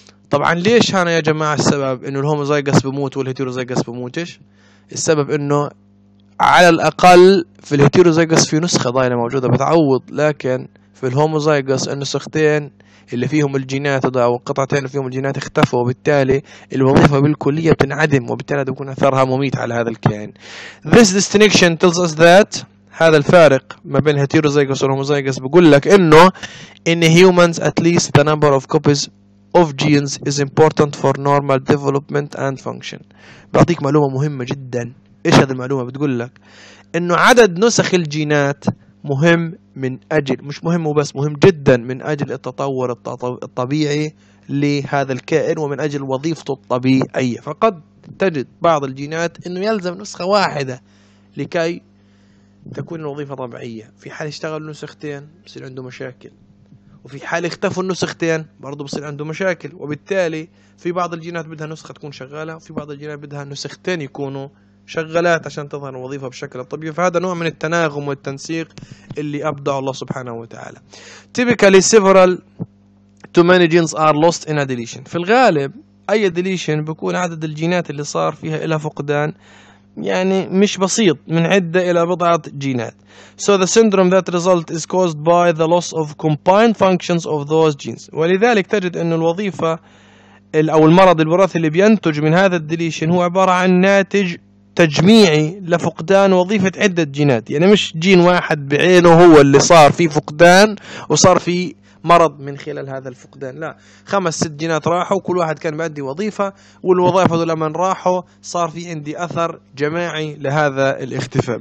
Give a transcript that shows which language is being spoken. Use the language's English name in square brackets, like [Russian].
[Arabic] طبعا ليش هنا يا جماعة السبب إنه الهوموزايغس بموت والهيتيروزايغس بموتش؟ السبب إنه على الأقل في الهيتيروزايغس في نسخة ضايلة موجودة بتعوض، لكن في الهوموزايغس النسختين اللي فيهم الجينات ضاعوا وقطعتين فيهم الجينات اختفوا، وبالتالي الوظيفة بالكلية بتنعدم، وبالتالي بيكون أثرها مميت على هذا الكائن. [English] This distinction tells us that [Arabic] هذا الفارق ما بين هيتيروزايغس والهوموزايغس بقول لك إنه [English] in humans at least the number of copies of genes is important for normal development and function. [Arabic] بعطيك معلومة مهمة جدا. إيش هذه المعلومة؟ بتقول لك إنه عدد نسخ الجينات مهم من أجل، مش مهم وبس، مهم جدا من أجل التطور الطبيعي لهذا الكائن ومن أجل وظيفته الطبيعية. فقد تجد بعض الجينات إنه يلزم نسخة واحدة لكي تكون الوظيفة طبيعية. في حال اشتغلوا نسختين بصير عنده مشاكل، وفي حال اختفوا النسختين برضو بصير عنده مشاكل، وبالتالي في بعض الجينات بدها نسخة تكون شغالة، وفي بعض الجينات بدها نسختين يكونوا شغلات عشان تظهر الوظيفة بشكل طبيعي. فهذا نوع من التناغم والتنسيق اللي أبدع الله سبحانه وتعالى. [English] Typically several to many genes are lost in a deletion. [Arabic] في الغالب أي deletion بيكون عدد الجينات اللي صار فيها إلى فقدان يعني مش بسيط، من عدة إلى بضعة جينات. [English] So the syndrome that result is caused by the loss of combined functions of those genes. [Arabic] ولذلك تجد أن الوظيفة أو المرض الوراثي اللي بينتج من هذا deletion هو عبارة عن ناتج تجميعي لفقدان وظيفة عدة جينات، يعني مش جين واحد بعينه هو اللي صار فيه فقدان وصار فيه مرض من خلال هذا الفقدان، لا، خمس ست جينات راحوا كل واحد كان بعدي وظيفة، والوظائف هذول لما راحوا صار فيه عندي أثر جماعي لهذا الاختفاء.